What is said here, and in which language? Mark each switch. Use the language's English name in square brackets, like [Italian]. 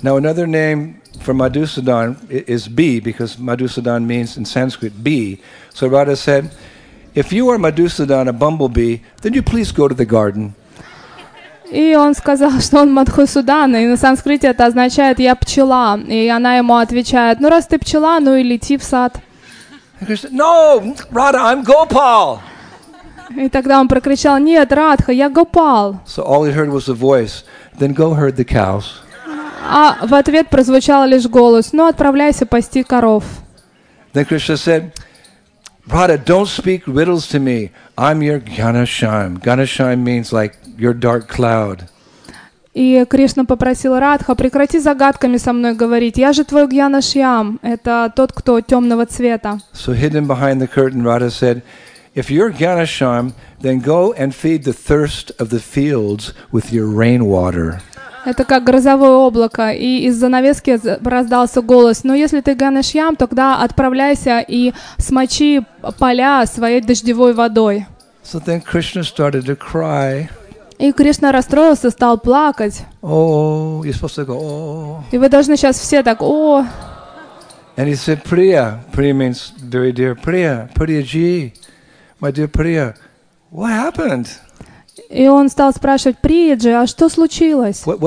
[English] Now another name for Madhusudan is bee, because Madhusudan means in Sanskrit bee. So Radha said, if you are Madhusudan, a bumblebee, then you please go to the garden. [Russian] И он сказал, что он Мадхусудан, и на санскрите это означает «я пчела». И она ему отвечает: ну раз ты пчела, ну и лети в сад. [English] No, Radha, I'm Gopal. [Russian] И тогда он прокричал: нет, Радха, я Гопал. [English] So all he heard was a voice. Then go herd the cows. [Russian] А в ответ прозвучал лишь голос: ну отправляйся пасти коров. [English] Then Krishna said, Radha, don't speak riddles to me. I'm your Ghanashyam. Ghanashyam means like your dark cloud. [Russian] И Кришна попросил Радха: прекрати загадками со мной говорить. Я же твой Ghanashyam. Это тот, кто темного цвета. [English] So hidden behind the curtain, Radha said, if you're Ghanashyam, then go and feed the thirst of the fields with your rainwater. [Russian] Это как грозовое облако, и из занавески раздался голос: но если ты Ганешьям, тогда отправляйся и смочи поля своей дождевой водой. [English] So then Krishna started to cry. [Russian] И Кришна расстроился, стал плакать. [English] Oh, you're supposed to go, oh. [Russian] И вы должны сейчас все так: о. Oh. [English] And he said, Priya, Priya means very dear, Priya, Priya G, my dear Priya, what happened? [Russian] И он стал спрашивать: Приджи, а что случилось?